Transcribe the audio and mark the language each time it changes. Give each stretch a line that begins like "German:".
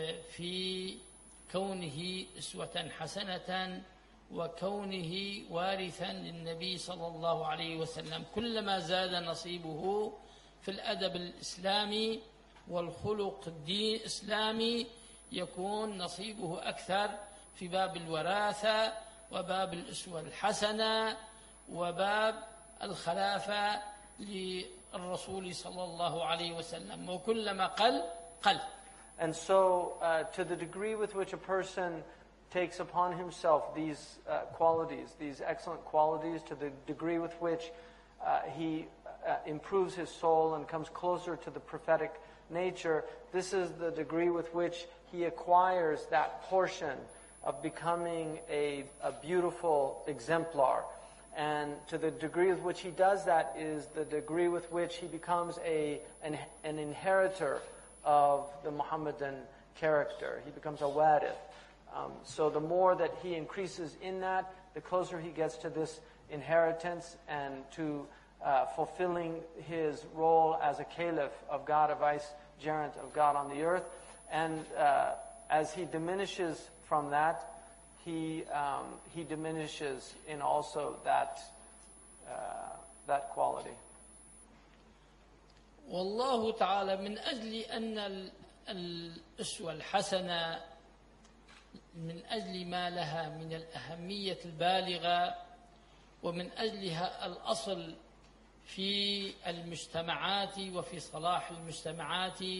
Arabic: في كونه أسوة حسنة وكونه وارثا للنبي صلى الله عليه وسلم كلما زاد نصيبه في الأدب الإسلامي والخلق الدين الإسلامي يكون نصيبه أكثر في باب الوراثة وباب الأسوة الحسنة وباب الخلافة للرسول صلى الله عليه وسلم وكلما قل قل.
English: And so to the degree with which a person takes upon himself these qualities, these excellent qualities, to the degree with which he improves his soul and comes closer to the prophetic nature, this is the degree with which he acquires that portion of becoming a beautiful exemplar. And to the degree with which he does that is the degree with which he becomes an inheritor of the Muhammadan character. He becomes a warith. So the more that he increases in that, the closer he gets to this inheritance and to fulfilling his role as a caliph of God, a vicegerent of God on the earth. And as he diminishes from that, he diminishes in also that quality.
Arabic: والله تعالى من أجل أن الأسوة الحسنة من أجل ما لها من الأهمية البالغة ومن أجلها الأصل في المجتمعات وفي صلاح المجتمعات